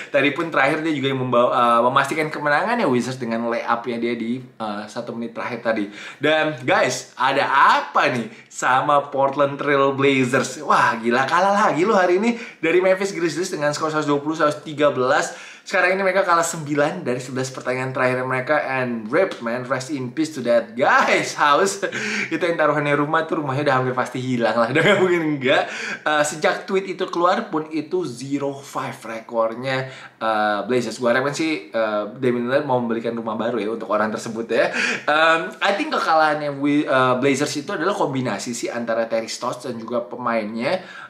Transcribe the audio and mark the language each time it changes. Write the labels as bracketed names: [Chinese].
[Indonesian] Tadi pun terakhir dia juga yang memastikan kemenangannya Wizards dengan layupnya dia di 1 menit terakhir tadi. Dan guys, ada apa nih sama Portland Trail Blazers? Wah gila, kalah lagi lo hari ini dari Memphis Grizzlies dengan skor 120-113. Sekarang ini mereka kalah 9 dari 11 pertandingan terakhir mereka. [English] And rip man, rest in peace to that guy's house. [Indonesian] Itu yang taruhannya rumah tuh, rumahnya udah hampir pasti hilang lah. Udah gak mungkin enggak. Sejak tweet itu keluar pun itu 0-5 rekornya Blazers. Gue harapin sih Damian Lillard mau membelikan rumah baru ya untuk orang tersebut ya. [English] I think [Indonesian] kekalahannya Blazers itu adalah kombinasi sih antara Terry Stotts dan juga pemainnya.